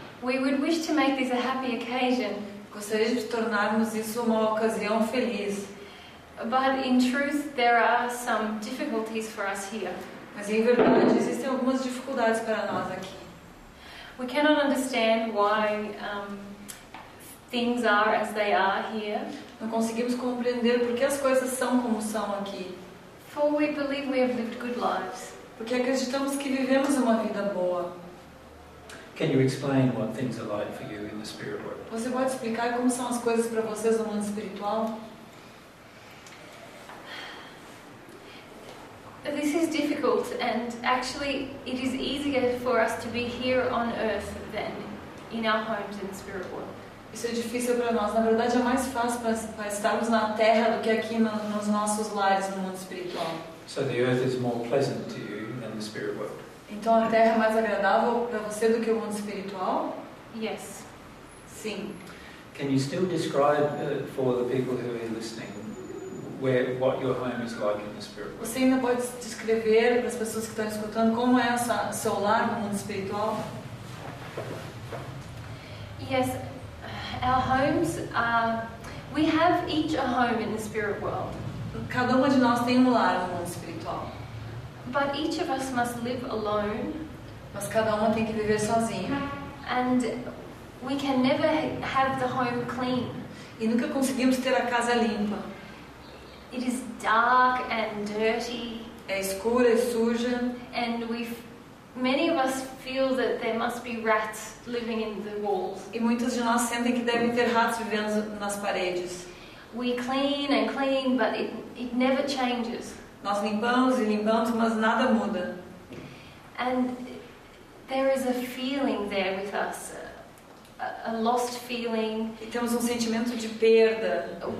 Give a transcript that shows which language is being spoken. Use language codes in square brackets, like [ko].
[en] We would wish to make this a happy occasion. [pt] Gostaríamos de tornarmos isso uma ocasião feliz. [en] But in truth, there are some difficulties for us here. [pt] Mas em verdade, existem algumas dificuldades para nós aqui. [en] We cannot understand why things are as they are here. [pt] Não conseguimos compreender por que as coisas são como são aqui. [en] For we believe we have lived good lives. [pt] Porque acreditamos que vivemos uma vida boa. [en] Can you explain what things are like for you in the spirit world? [pt] Você pode explicar como são as coisas para vocês no mundo espiritual? [en] This is difficult, and actually, it is easier for us to be here on Earth than in our homes in the spirit world. [pt] Isso é difícil para nós. Na verdade, é mais fácil para estarmos na Terra do que aqui nos nossos lares no mundo espiritual. [en] So the Earth is more pleasant to you than the spirit world. [pt] Então, a Terra é mais agradável para você do que o mundo espiritual? [en] Yes. [pt] Sim. [en] Can you still describe for the people who are listening? What your home is like in the spirit world. [pt] Você ainda pode descrever para as pessoas que estão escutando como é o seu lar no mundo espiritual? [en] Yes, our homes are. We have each a home in the spirit world. [pt] Cada uma de nós tem um lar no mundo espiritual. [en] But each of us must live alone. [pt] Mas cada uma tem que viver sozinha. [en] And we can never have the home clean. [pt] E nunca conseguimos ter a casa limpa. [en] It is dark and dirty. [pt] É escuro, é suja. [en] And many of us feel that there must be rats living in the walls. [pt] E muitos de nós sentem que devem ter ratos vivendo nas paredes. [en] We clean and clean, but it never changes. [pt] Nós limpamos e limpamos, mas nada muda. [en] And there is a feeling there with us. A lost feeling. [pt] E temos sentimento de perda.